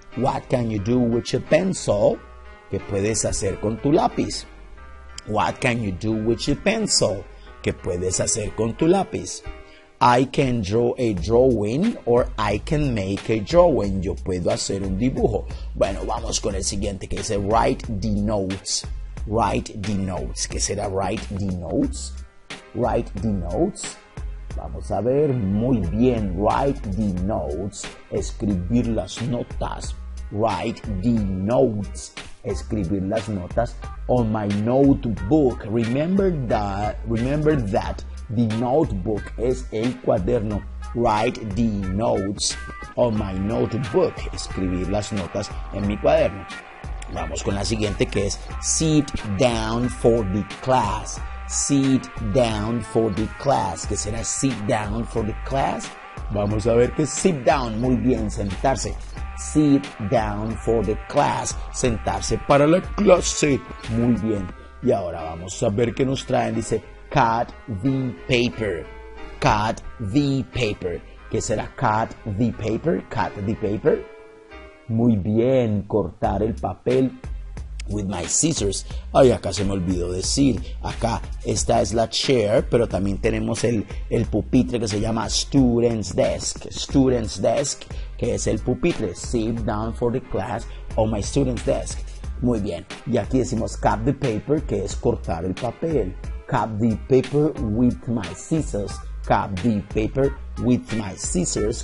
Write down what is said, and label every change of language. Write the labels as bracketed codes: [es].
[en] What can you do with your pencil? [es] ¿Qué puedes hacer con tu lápiz? [en] What can you do with your pencil? [es] ¿Qué puedes hacer con tu lápiz? [en] I can draw a drawing or I can make a drawing. [es] Yo puedo hacer un dibujo. Bueno, vamos con el siguiente, que dice [en] write the notes. Write the notes. [es] ¿Qué será [en] write the notes? Write the notes. [es] Vamos a ver. Muy bien. [en] Write the notes. [es] Escribir las notas. [en] Write the notes. [es] Escribir las notas [en] on my notebook. Remember that. [es] The notebook es el cuaderno. [en] Write the notes on my notebook. [es] Escribir las notas en mi cuaderno. Vamos con la siguiente, que es [en] sit down for the class. Sit down for the class. [es] ¿Qué será [en] sit down for the class? [es] Vamos a ver qué es [en] sit down. [es] Muy bien, sentarse. [en] Sit down for the class. [es] Sentarse para la clase. Muy bien. Y ahora vamos a ver qué nos traen. [en] Dice cut the paper. Cut the paper. [es] ¿Qué será [en] cut the paper? Cut the paper. [es] Muy bien, cortar el papel [en] with my scissors. [es] Ay, acá se me olvidó decir. Acá, esta es la chair, pero también tenemos el pupitre que se llama student's desk. Student's desk, que es el pupitre. [en] Sit down for the class on my student's desk. [es] Muy bien, y aquí decimos [en] cut the paper, [es] que es cortar el papel. [en] Cut the paper with my scissors. Cut the paper with my scissors.